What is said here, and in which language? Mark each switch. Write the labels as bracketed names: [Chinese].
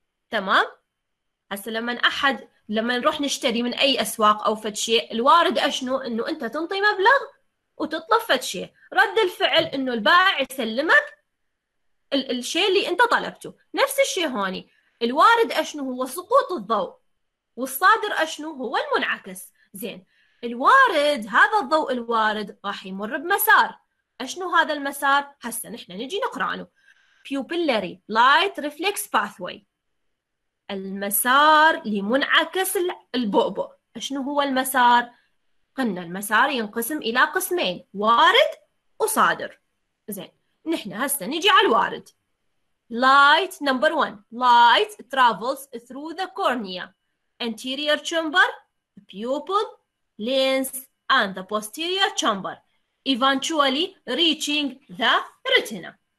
[Arabic] تمام، هسا لما نروح نشتري من أي أسواق أو فد شيء، الوارد أشنو؟ إنه أنت تنطي مبلغ وتطلب فد شيء، رد الفعل إنه البائع يسلمك الشيء اللي أنت طلبته. نفس الشيء هوني، الوارد أشنو؟ هو سقوط الضوء، والصادر أشنو؟ هو المنعكس. زين، الوارد هذا الضوء الوارد راح يمر بمسار، أشنو هذا المسار؟ هسا نحن نجي نقرأنه. [English] Pupillary light reflex pathway، [Arabic] المسار لمنعكس البؤبؤ. أشنو هو المسار؟ قلنا المسار ينقسم إلى قسمين، وارد وصادر. زين، نحن هسا نجي على الوارد. [English] Light number one، light travels through the cornea, anterior chamber, pupil, lens and the posterior chamber, eventually reaching the retina.